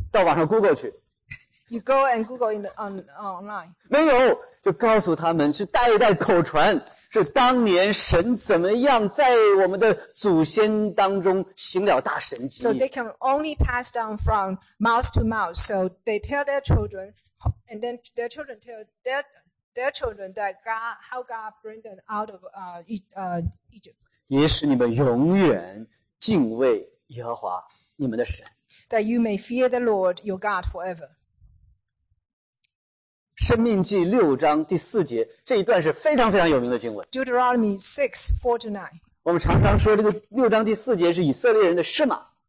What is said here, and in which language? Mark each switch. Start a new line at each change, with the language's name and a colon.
Chinese: 到网上 Google 去，
English: You go and Google in the, online，
Chinese: 没有就告诉他们是代代口传，是当年神怎么样在我们的祖先当中行了大神迹。
English: So they can only pass down from mouth to mouth， So they tell their childrenAnd then their children tell their children that God, how God bring them out of Egypt.
Chinese: 也使你们永远敬畏耶和华你们的神。
English: That you may fear the Lord your God forever.
Chinese: 生命记六章第四节，这一段是非常非常有名的经文。
English: Deuteronomy 6:4-9.
Chinese: 我们常常说这个六章第四节是以色列人的诗嘛。